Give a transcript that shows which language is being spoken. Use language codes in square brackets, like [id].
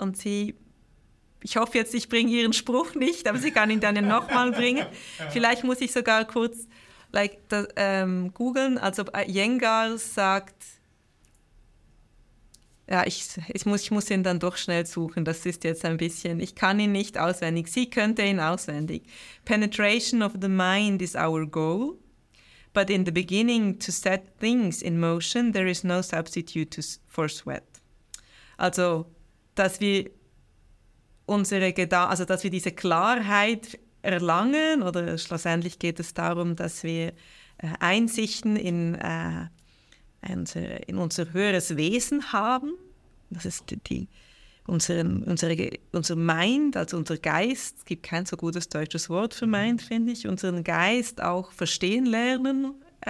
[de] Und sie, ich hoffe jetzt, ich bringe ihren Spruch nicht, aber sie kann ihn dann nochmal bringen. Vielleicht muss ich sogar kurz googeln. Also Iyengar sagt... Ja, ich muss ihn dann doch schnell suchen. Das ist jetzt ein bisschen, ich kann ihn nicht auswendig. Sie könnte ihn auswendig. [en] Penetration of the mind is our goal. But in the beginning to set things in motion, there is no substitute for sweat. [de] Also, dass wir dass wir diese Klarheit erlangen, oder schlussendlich geht es darum, dass wir Einsichten in unser höheres Wesen haben, das ist unser Mind, also unser Geist, es gibt kein so gutes deutsches Wort für Mind, finde ich, unseren Geist auch verstehen lernen.